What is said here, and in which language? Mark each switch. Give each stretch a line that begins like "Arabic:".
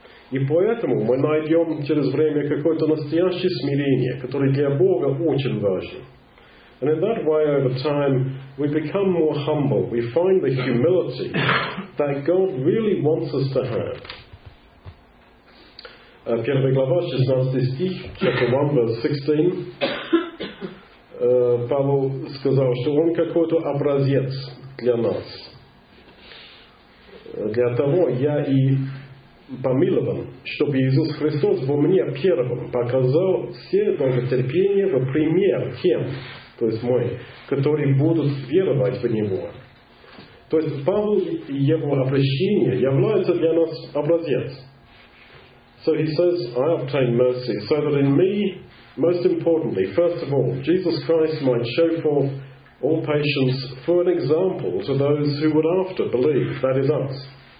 Russian: И поэтому мы найдем через время какое-то настоящее смирение, которое для Бога очень важно.
English: And in that way, over time, we become more humble. We find the humility that God really wants us to have.
Russian: Первая глава, 16 стих,
English: chapter 1, verse 16.
Russian: Павел сказал, что он какой-то образец для нас. Для того я и помилован, чтобы Иисус Христос во мне первым показал все долготерпение в пример тем, то есть мой, которые будут веровать в Него. То есть Павел и его обращение являются для нас образец.
English: So he says, I obtain mercy, so that in me, most importantly, first of all, Jesus Christ might show forth all patience for an example to those who would after believe, that is us.